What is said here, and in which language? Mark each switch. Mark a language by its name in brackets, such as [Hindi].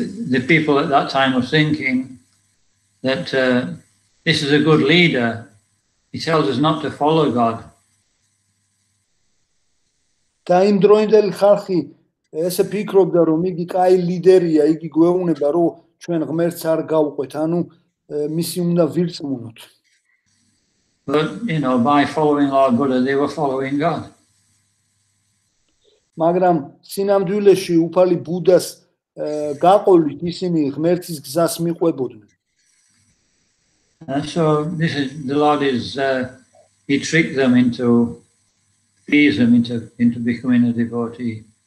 [English] The people at that time were thinking that this is a good leader. He tells us not to follow God. [Georgian] და იმ დროინდელი ხალხი ესე ფიქრობდა რომ იგი კაი ლიდერია, იგი გვეუბნება რომ ჩვენ ღმერთს არ გავყვეთ, ანუ მისი უნდა ვირწმუნოთ. [English] But, you know, by following Lord Buddha, they were following God. [Georgian] მაგრამ სინამდვილეში უფალი ბუდას გაყოლით ისინი ღმერთის გზას მიყვებოდნენ. [English] So this is the Lord is he tricked them into ease them into becoming a devotee.